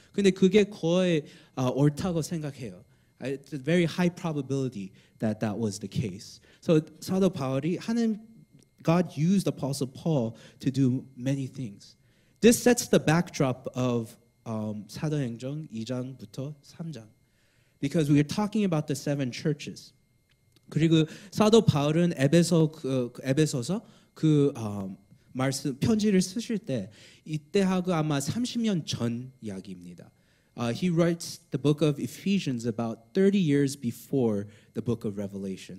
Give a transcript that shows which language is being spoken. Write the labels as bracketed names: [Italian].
[Korean] 근데 그게 거의 옳다고 생각해요. [English] It's a very high probability that that was the case. So [Korean] 사도 바울이 하나님 [English] God used Apostle Paul to do many things. This sets the backdrop of [Korean] 사도행전 2장부터 3장. [English] Because we are talking about the seven churches. [Korean] 그리고 사도 바울은 에베소서 그 말씀 편지를 쓰실 때 이때하고 아마 30년 전 이야기입니다. [English] He writes the book of Ephesians about 30 years before the book of Revelation.